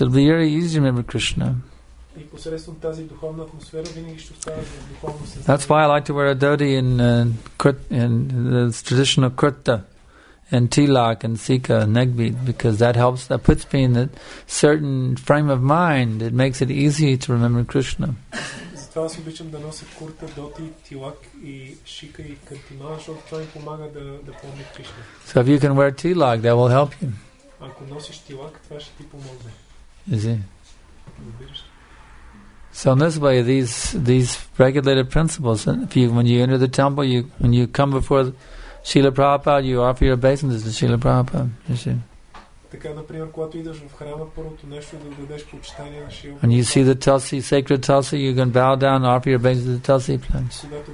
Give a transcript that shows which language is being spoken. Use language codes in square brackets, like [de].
[en] It'll be very easy to remember Krishna. That's why I like to wear a dhoti in the traditional kurta and tilak and sika and negbit, because that helps, that puts me in a certain frame of mind. It makes it easy to remember Krishna. [bg] Затова си обичам да нося курта, доти, тилак и шика и картина, защото това ми помага да помня Кришна. [en] So if you can wear tilak, that will help you. [bg] Ако носиш тилак, това ще ти помогне. [en] Is it? So in this way, these regulated principles, when you come before Srila Prabhupada, you offer your obeisances to Srila Prabhupada, you see. When you see the Tulsi, sacred Tulsi, you can bow down and offer your obeisances to Tulsi plants.